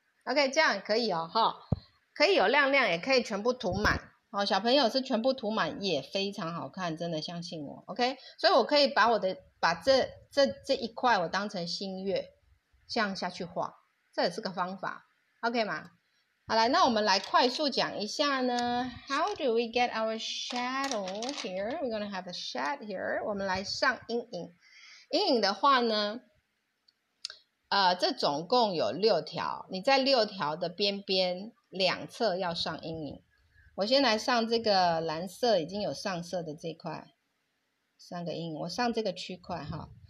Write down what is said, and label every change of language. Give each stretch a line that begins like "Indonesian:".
Chinese: OK， 这样可以哦哈，可以有亮亮，也可以全部涂满哦。小朋友是全部涂满也非常好看，真的相信我。 OK， 所以我可以把我的把这一块我当成新月这样下去画，这也是个方法。 OK 吗？好，来，那我们来快速讲一下呢。
English: How do we get our shadow here? We're gonna have a shadow here.
Chinese: 我们来上阴影。阴影的话呢，这总共有六条，你在六条的边边两侧要上阴影。我先来上这个蓝色已经有上色的这块，上个阴影，我上这个区块哈。